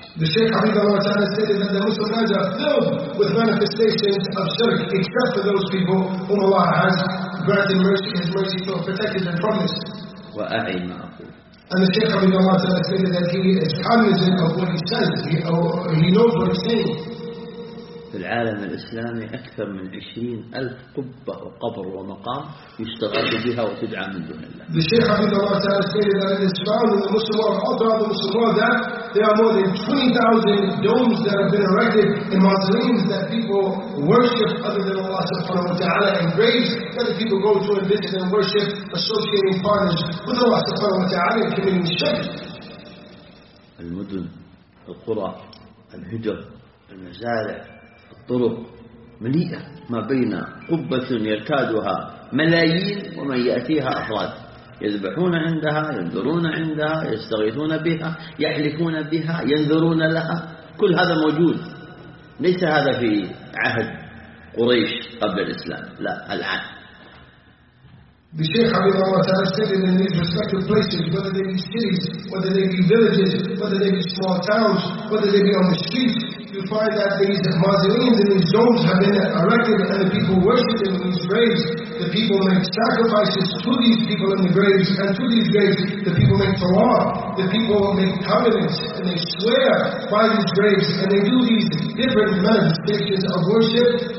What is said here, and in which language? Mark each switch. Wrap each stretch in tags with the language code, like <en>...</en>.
<en>The Shaykh Habib Allah Ta'ala said that the Muslim lands are filled with manifestations of shirk except for those people whom Allah has granted mercy and his mercy for protected and promised.</en> <ar>وأعي ما أقول</ar> <en>And the Shaykh Habib Allah Ta'ala said that he is cognizant of what he says. He knows what he's saying.</en> <ar>في العالم الإسلامي أكثر من 20,000 قبة وقبر ومقام يشتغل بها وتدعى من دون الله.</ar> <en>The Shaykh Habib Allah Ta'ala said that in Islam, in the Muslim world, all throughout the Muslim world, that there are more than 20,000 domes that have been erected in mausoleums that people worship other than Allah Subhanahu wa Taala and graves that the people go to and visit and worship, associating partners with Allah Subhanahu wa Taala and committing shirk.</en> <ar>المدن، القرى، الهجر، المزارع. طرق مليئة ما بين قبة يرتادها ملايين ومن يأتيها أفراد يذبحون عندها ينذرون عندها يستغيثون بها يحلفون بها ينذرون لها كل هذا موجود ليس هذا في عهد قريش قبل الإسلام لا الآن</ar> <en>The Shaykh Habib Allah Ta'ala said in these respective places, whether they be cities, whether they be villages, whether they be small towns, whether they be on the streets, you find that these mausoleums and these domes have been erected and the people worship them in these graves. the people make sacrifices to these people in the graves, and to these graves, the people make salah, the people make covenants, and they swear by these graves, and they do these different manifestations of worship.</en>